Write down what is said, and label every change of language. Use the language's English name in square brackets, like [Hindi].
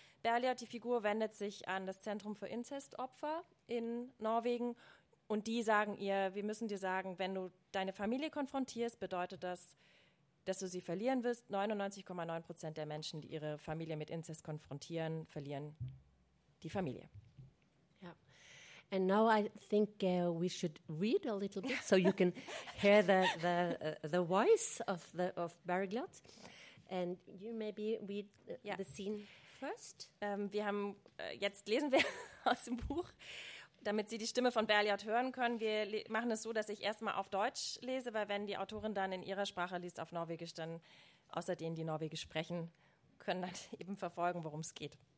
[German] Bergljot, die Figur, wendet sich an das Zentrum für Inzestopfer in Norwegen und die sagen ihr, wir müssen dir sagen, wenn du deine Familie konfrontierst, bedeutet das, dass du sie verlieren wirst. 99.9% der Menschen, die ihre Familie mit Inzest konfrontieren, verlieren die Familie. [English] And now I think we should read a little bit so you can hear the voice of Bergljot. And you maybe read the scene first. [German] Wir haben jetzt lesen wir aus dem Buch, damit Sie die Stimme von Bergljot hören können. Wir machen es so, dass ich erstmal auf Deutsch lese, weil wenn die Autorin dann in ihrer Sprache liest auf Norwegisch, dann außer denen, die Norwegisch sprechen, können dann eben verfolgen, worum es geht.